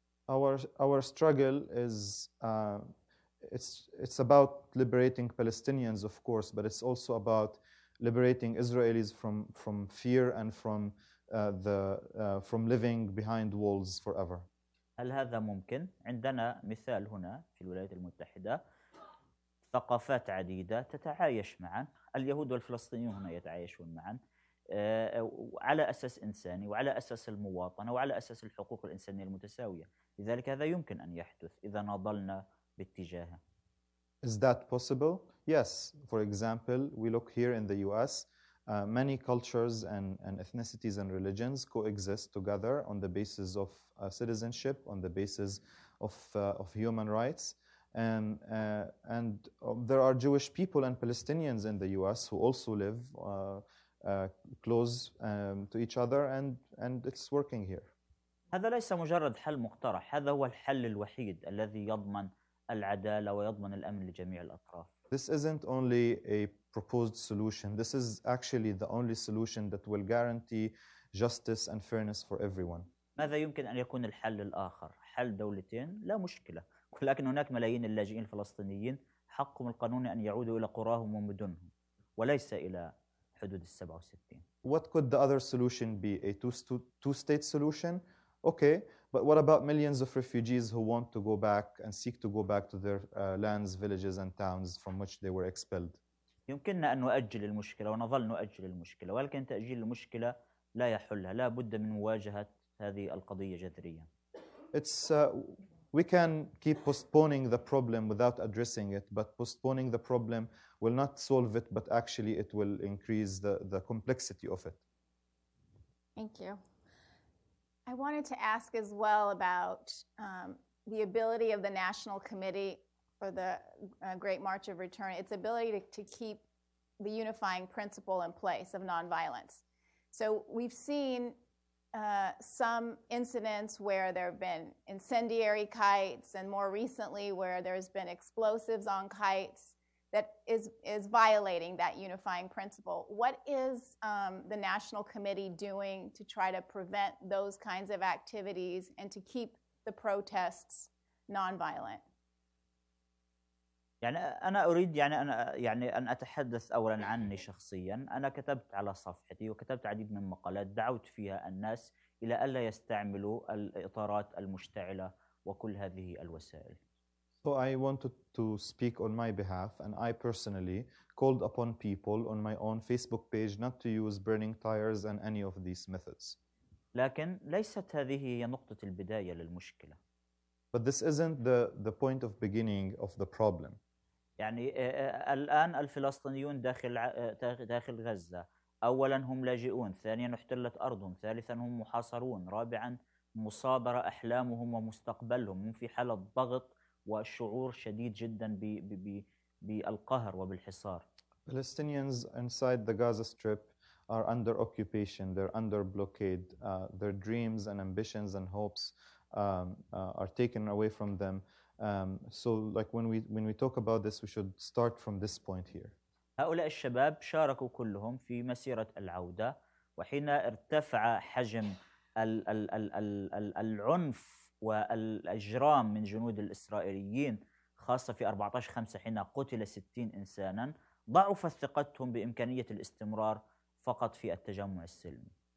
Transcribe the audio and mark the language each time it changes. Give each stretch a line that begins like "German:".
English: Our struggle is about liberating Palestinians, of course, but it's also about liberating Israelis from fear and from living behind walls forever.
Arabic: هل هذا ممكن؟ عندنا مثال هنا في الولايات المتحدة ثقافات عديدة تتعايش معا اليهود والفلسطينيون هنا يتعايشون معا على أساس إنساني وعلى أساس المواطنة وعلى أساس الحقوق الإنسانية المتساوية لذلك هذا يمكن أن يحدث إذا نضلنا باتجاهه.
English: Is that possible? Yes. For example, we look here in the US, many cultures and ethnicities and religions coexist together on the basis of citizenship, on the basis of human rights. And there are Jewish people and Palestinians in the US who also live close to each other, and it's working here.
Arabic: هذا ليس مجرد حل مقترح، هذا هو الحل الوحيد الذي يضمن العدالة ويضمن الأمن لجميع الأطراف.
English: This isn't only a proposed solution. This is actually the only solution that will guarantee justice and fairness for everyone.
Arabic: ماذا يمكن أن يكون الحل الآخر؟ حل دولتين؟ لا مشكلة. ولكن هناك ملايين اللاجئين الفلسطينيين حقهم القانوني أن يعودوا إلى قراهم ومدنهم وليس إلى حدود 67.
English: What could the other solution be? A two-state solution? Okay, but what about millions of refugees who want to go back and seek to go back to their lands, villages, and towns from which they were expelled?
Arabic: يمكننا أن نؤجل المشكلة ونظل نؤجل المشكلة، ولكن تأجيل المشكلة لا يحلها. لا بد من مواجهة هذه القضية جذريا.
English: We can keep postponing the problem without addressing it, but postponing the problem will not solve it, but actually it will increase the complexity of it. Thank you. I wanted to ask as well about the ability of the National Committee for the Great March of Return, its ability to keep the unifying principle in place of nonviolence. So we've seen some incidents where there have been incendiary kites, and more recently where there's been explosives on kites that is violating that unifying principle. What is the National Committee doing to try to prevent those kinds of activities and to keep the protests nonviolent?
Arabic: يعني أنا أريد يعني أن أتحدث أولا عني شخصيا. أنا كتبت على صفحتي وكتبت عديد من المقالات دعوت فيها الناس إلى ألا يستعملوا الإطارات المشتعلة وكل هذه الوسائل.
English: So I wanted to speak on my behalf, and I personally called upon people on my own Facebook page not to use burning tires and any of these methods.
Arabic: لكن ليست هذه هي نقطة البداية للمشكلة.
English: But this isn't the point of beginning of the problem.
Arabic: يعني الآن الفلسطينيون داخل غزة. أولاً هم لاجئون، ثانياً احتلت أرضهم، ثالثاً هم محاصرون، رابعاً مصابرة أحلامهم ومستقبلهم في حالة ضغط وشعور شديد جداً بالقهر وبالحصار.
English: Palestinians inside the Gaza Strip are under occupation. They're under blockade. Their dreams and ambitions and hopes are taken away from them. So like when we talk about this, we should start from this point here.
Arabic: هؤلاء الشباب شاركوا كلهم في مسيرة العودة، وحين ارتفع حجم العنف والإجرام من جنود الإسرائيليين خاصة في 14/5 حين قتل 60 إنسانا، ضعف ثقتهم بإمكانية الاستمرار فقط في التجمع السلمي.